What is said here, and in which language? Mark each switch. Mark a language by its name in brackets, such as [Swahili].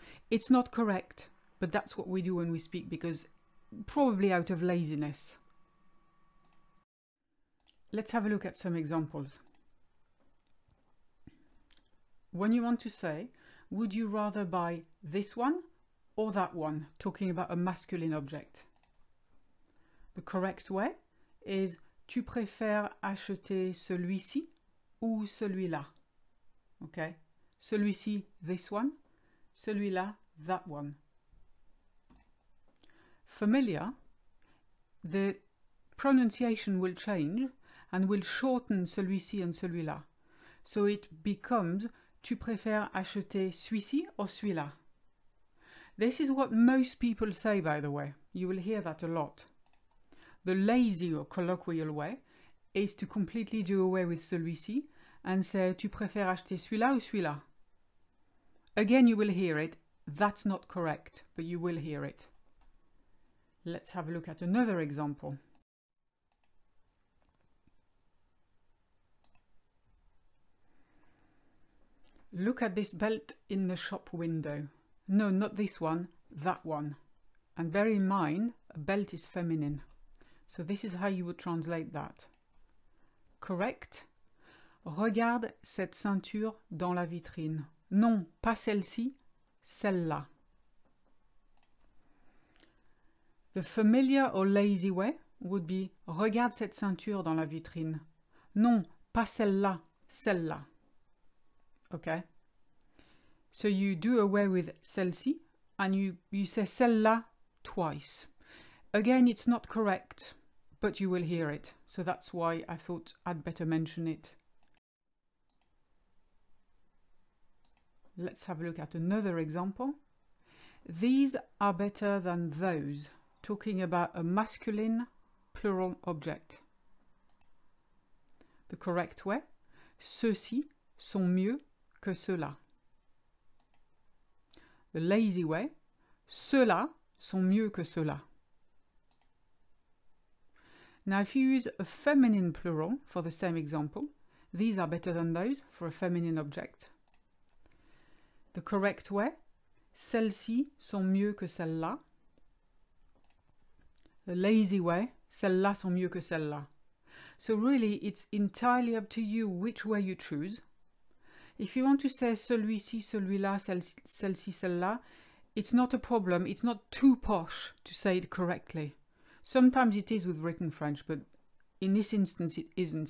[English] It's not correct, but that's what we do when we speak because probably out of laziness. Let's have a look at some examples. When you want to say, would you rather buy this one or that one, talking about a masculine object? The correct way is, [French] tu préfères acheter celui-ci ou celui-là? [English] Okay, celui-ci, this one, celui-là, that one. Familiar, the pronunciation will change and will shorten celui-ci and celui-là. So it becomes, [French] tu préfères acheter celui-ci or celui-là? [English] This is what most people say, by the way. You will hear that a lot. The lazy or colloquial way is to completely do away with celui-ci and say, [French] tu préfères acheter celui-là ou celui-là? [English] Again, you will hear it. That's not correct, but you will hear it. Let's have a look at another example. Look at this belt in the shop window. No, not this one, that one. And bear in mind, a belt is feminine. So this is how you would translate that. Correct? [French] Regarde cette ceinture dans la vitrine. Non, pas celle-ci, celle-là. [English] The familiar or lazy way would be [French] regarde cette ceinture dans la vitrine. Non, pas celle-là, celle-là. [English] Okay? So you do away with celle-ci and you say celle-là twice. Again, it's not correct, but you will hear it. So that's why I thought I'd better mention it. Let's have a look at another example. These are better than those, talking about a masculine plural object. The correct way, [French] ceux-ci sont mieux que ceux-là. [English] The lazy way, [French] ceux-là sont mieux que ceux-là. [English] Now, if you use a feminine plural for the same example, these are better than those for a feminine object. The correct way, [French] celles-ci sont mieux que celles-là. [English] The lazy way, [French] celles-là sont mieux que celles-là. [English] So really, it's entirely up to you which way you choose. If you want to say celui-ci, celui-là, celle-ci, celle-là, it's not a problem. It's not too posh to say it correctly. Sometimes it is with written French, but in this instance it isn't.